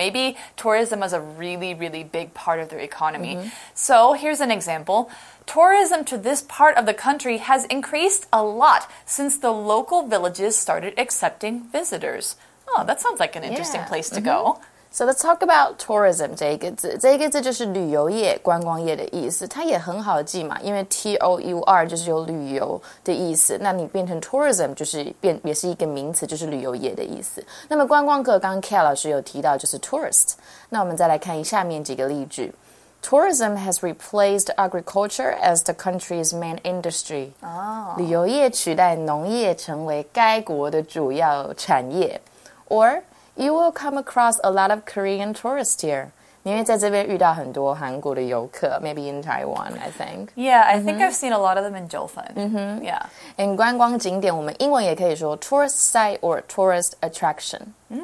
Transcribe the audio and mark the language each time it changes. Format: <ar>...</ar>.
<en>Maybe tourism is a really, really big part of their economy. So here's an example. Tourism to this part of the country has increased a lot since the local villages started accepting visitors. Oh, that sounds like an interesting place to go. So let's talk about tourism</en> <zh>这一个字。这一个字就是旅游业、观光业的意思。它也很好记嘛，因为 T-O-U-R 就是有旅游的意思。那你变成 tourism 就是变也是一个名词，就是旅游业的意思。那么观光客，刚刚 Kat 老师有提到就是 tourist。那我们再来看下面几个例句。</zh> <en>Tourism has replaced agriculture as the country's main industry.</en> <zh>旅游业取代农业成为该国的主要产业。</zh> <en>Or... You will come across a lot of Korean tourists here.</en> <zh>你会在这边遇到很多韩国的游客</zh> <en>maybe in Taiwan, I think. Yeah, I think I've seen a lot of them in Jiufen. Yeah.</en> <zh>And 观光景点我们英文也可以说</zh> <en>tourist site or tourist attraction.</en>